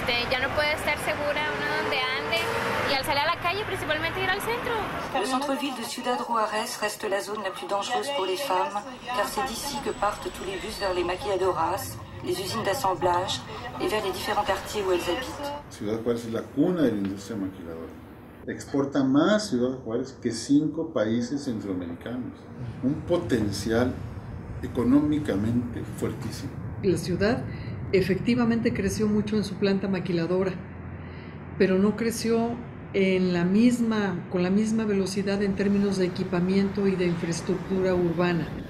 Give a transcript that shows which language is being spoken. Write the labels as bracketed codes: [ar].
[es] Ya no puede estar segura una donde ande y al salir a la calle principalmente ir al centro. [fr] Le centre-ville de Ciudad Juárez reste la zone la plus dangereuse pour les femmes car c'est d'ici que partent tous les bus vers les maquilladoras, les usines d'assemblage et vers les différents quartiers où elles habitent. [es] Ciudad Juárez es la cuna de la industria maquiladora. Exporta más Ciudad Juárez que 5 países centroamericanos. Un potencial económicamente fuertísimo. La ciudad efectivamente creció mucho en su planta maquiladora, pero no creció con la misma velocidad en términos de equipamiento y de infraestructura urbana.